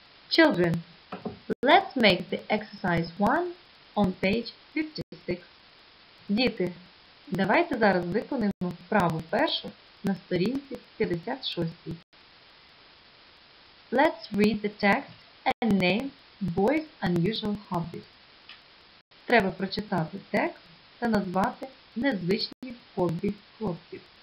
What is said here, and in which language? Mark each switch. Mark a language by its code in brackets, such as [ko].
[en] Children, let's make the exercise 1 on page 56. [uk] Діти, давайте зараз виконаємо вправу першу на сторінці 56. [en] Let's read the text and name boys' unusual hobbies. [uk] Треба прочитати текст та назвати незвичні хобі хлопців.